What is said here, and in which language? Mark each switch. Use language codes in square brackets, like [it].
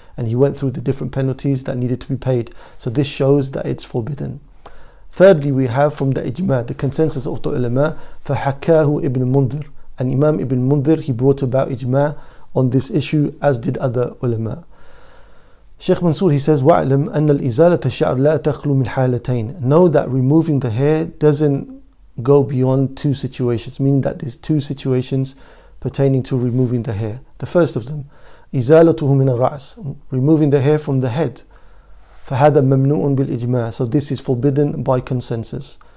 [en] And he went through the different penalties that needed to be paid. So this shows that it's forbidden. Thirdly, we have from the Ijma, the consensus of the ulama, [ar] فَحَكَّاهُ [en] ibn Mundhir. And Imam ibn Mundhir, he brought about Ijma on this issue, as did other ulama. Sheikh Mansur, he says, [ar] وَعْلَمْ أَنَّ الْإِزَالَةَ الشَّعْرِ لَا تَخْلُو مِنْ حَالَتَيْنِ. [en] Know that removing the hair doesn't go beyond two situations, meaning that there's two situations pertaining to removing the hair. The first of them, [ar] إِزَالَتُهُ مِنَ الرَّأْسِ, [en] removing the hair from the head. [ar] فَهَذَا مَمْنُوعٌ بِالْإِجْمَاءِ, [en] so this is forbidden by consensus.